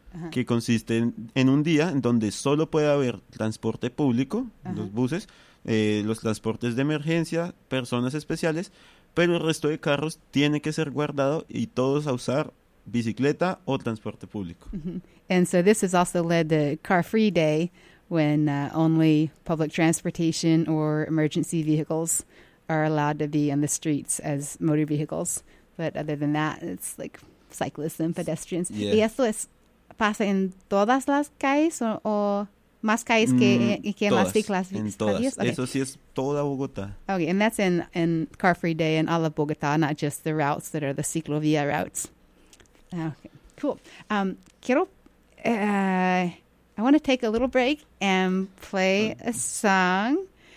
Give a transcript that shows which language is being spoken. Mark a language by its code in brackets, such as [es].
[es] Que consiste en un día en donde solo puede haber transporte público, los buses, los transportes de emergencia, personas especiales, pero el resto de carros tiene que ser guardado y todos a usar bicicleta o transporte público. [en] And so this has also led to car-free day when only public transportation or emergency vehicles are allowed to be on the streets as motor vehicles. But other than that, it's like cyclists and pedestrians. [es] Yeah. Y eso es... ¿Pasa en todas las calles o más calles que todas, en las ciclas? En todas. Okay. Eso sí es toda Bogotá. [en] Okay, and that's in car-free day in all of Bogotá, not just the routes that are the ciclovía routes. Okay, cool. I want to take a little break and play a song.